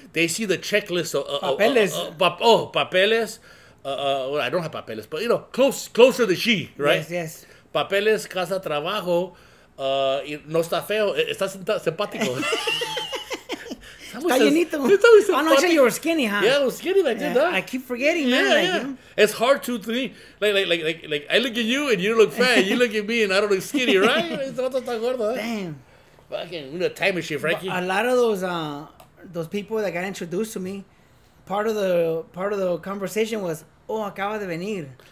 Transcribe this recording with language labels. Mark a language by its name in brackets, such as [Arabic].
[English] They see the checklist of [Spanish] papeles. Papeles. [English] I don't have papeles, but you know, closer to she, right? Yes. [Spanish] Papeles, casa, trabajo, no está feo, está simpático. [English] I know you were skinny, huh? Yeah, I was skinny back then. Yeah, I keep forgetting, man. Yeah. It's hard to think. Like, I look at you and you look fat. You look at me and I don't look skinny, right? Damn. Fucking, we need a time machine, Frankie. A lot of those people that got introduced to me, part of the conversation was, [Spanish] acaba de venir.